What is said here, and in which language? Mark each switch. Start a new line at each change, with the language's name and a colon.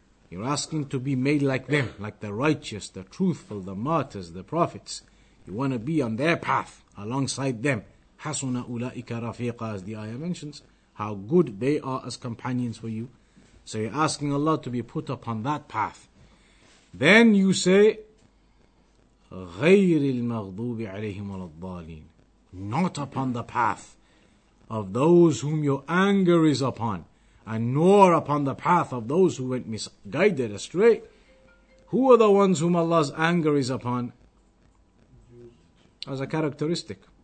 English: You're asking to be made like them, like the righteous, the truthful, the martyrs, the prophets. You want to be on their path, alongside them.
Arabic: Hasuna ulaika rafiqa,
English: as the ayah mentions, how good they are as companions for you. So you're asking Allah to be put upon that path. Then you say,
Arabic: غير المغضوب عليهم ولا الضالين.
English: Not upon the path of those whom your anger is upon, and nor upon the path of those who went misguided astray. Who are the ones whom Allah's anger is upon? As a characteristic.